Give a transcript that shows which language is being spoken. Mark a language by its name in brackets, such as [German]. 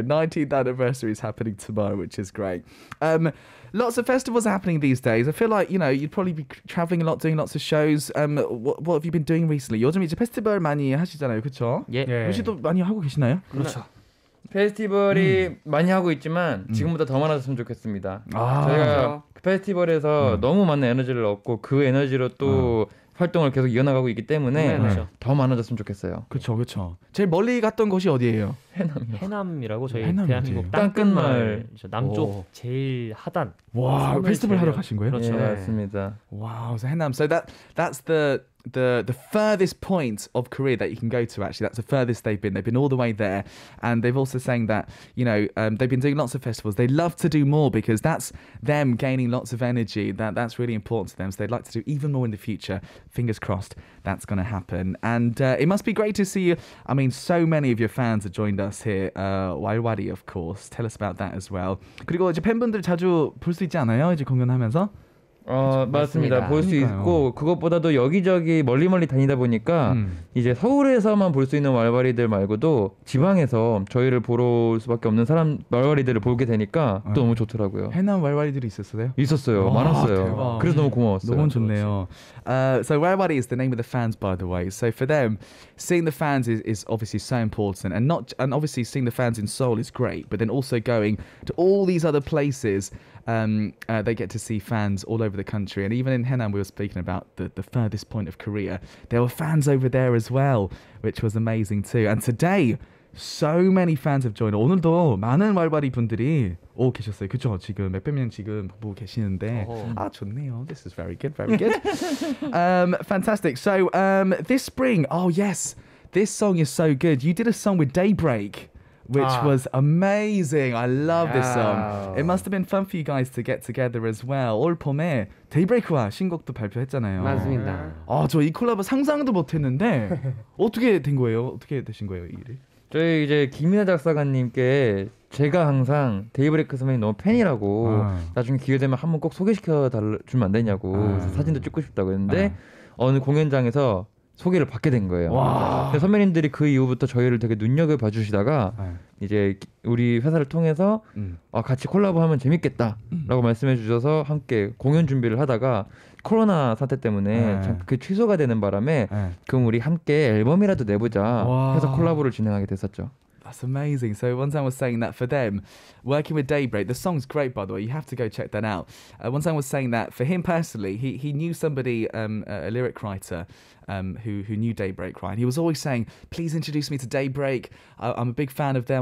[English] 19th anniversary is happening tomorrow, which is great. Lots of festivals are happening these days. I feel like, you know, you'd probably be traveling a lot, doing lots of shows. What have you been doing recently? [Korean] 요즘 이제 페스티벌 많이 하시잖아요, 그렇죠? 예. 혹시도 많이 하고 계시나요? 그렇죠. 페스티벌이 많이 하고 있지만 지금보다 더 많았으면 좋겠습니다. 아~ 저희가 그 페스티벌에서 너무 많은 에너지를 얻고 그 에너지로 또 활동을 계속 이어나가고 있기 때문에 더 많아졌으면 좋겠어요. 그렇죠, 그렇죠. 제일 멀리 갔던 곳이 어디예요? 해남이요. 해남이라고 저희 해남 대한민국 땅끝마을 남쪽 오. 제일 하단. 와, 페스티벌 하러 가신 거예요? 그렇죠. 예, 맞습니다. 와우, [English] so [Korean] 해남. [English] So that's the furthest point of Korea that you can go to, actually. That's the furthest they've been. They've been all the way there. And they've also saying that, you know, they've been doing lots of festivals. They love to do more because that's them gaining lots of energy. That's really important to them. So they'd like to do even more in the future. Fingers crossed that's going to happen. And it must be great to see you. I mean, so many of your fans have joined us here. Wairwadi, of course. Tell us about that as well. [Korean] 그리고 이제 팬분들 자주 볼 수 있지 않아요? 이제 공연하면서? 맞습니다. 볼 수 있고 그것보다도 여기저기 멀리 다니다 보니까 이제 서울에서만 볼 수 있는 왈바리들 말고도 지방에서 저희를 보러 올 수밖에 없는 사람 왈바리들을 보게 되니까 또 너무 좋더라고요. 해남 왈바리들이 있었어요? 있었어요. 와, 많았어요. 대박. 그래서 너무 고마웠어요. 너무 좋네요. [English] So Wairwadi is the name of the fans, by the way. So for them, seeing the fans is obviously so important, and obviously seeing the fans in Seoul is great, but then also going to all these other places. They get to see fans all over the country, and even in Henan, we were speaking about the furthest point of Korea. There were fans over there as well, which was amazing too. And today, so many fans have joined. [Korean] 오늘도 많은 왈바리 분들이 오 계셨어요. 그쵸? 지금 몇백 명 지금 보고 계시는데 아 좋네요. [English] This is very good, very good. fantastic. So this spring, oh yes, this song is so good. You did a song with Daybreak. Which was amazing. I love this song. It must have been fun for you guys to get together as well. [Korean] 올 봄에 데이브레이크와 신곡도 발표했잖아요. 맞습니다. 아, 저 이 콜라보 상상도 못했는데 어떻게 된 거예요? 어떻게 되신 거예요, 이 일이? 저희 이제 김민아 작사가님께 제가 항상 데이브레이크 선배님 너무 팬이라고 나중에 기회 되면 한번 꼭 소개시켜주면 안 되냐고 사진도 찍고 싶다고 했는데 어느 공연장에서 소개를 받게 된 거예요. 와. 선배님들이 그 이후부터 저희를 되게 눈여겨봐 주시다가 이제 우리 회사를 통해서 같이 콜라보하면 재밌겠다 라고 말씀해 주셔서 함께 공연 준비를 하다가 코로나 사태 때문에 그 취소가 되는 바람에 그럼 우리 함께 앨범이라도 내보자 해서 콜라보를 진행하게 됐었죠. [English] That's amazing. So Wonsang was saying that for them, working with Daybreak, the song's great, by the way. You have to go check that out. Wonsang was saying that for him personally, he knew somebody, a lyric writer, who knew Daybreak, right? And he was always saying, please introduce me to Daybreak. I'm a big fan of them.